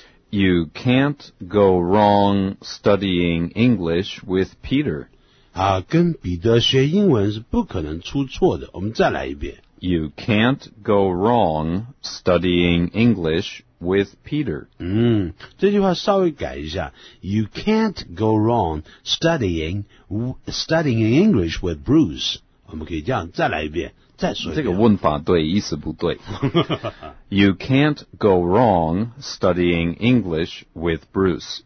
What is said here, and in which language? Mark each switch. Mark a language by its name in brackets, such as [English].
[English] You can't go wrong studying English with Peter. [Chinese] 跟彼得学英文是不可能出错的。我们再来一遍。 [English] You can't go wrong studying English with Peter. [Chinese] 这句话稍微改一下。 [English] You can't go wrong studying English with Bruce. [Chinese] 我们可以这样再来一遍，再说一遍。这个问法对，意思不对。 [English] You can't go wrong studying English with Bruce.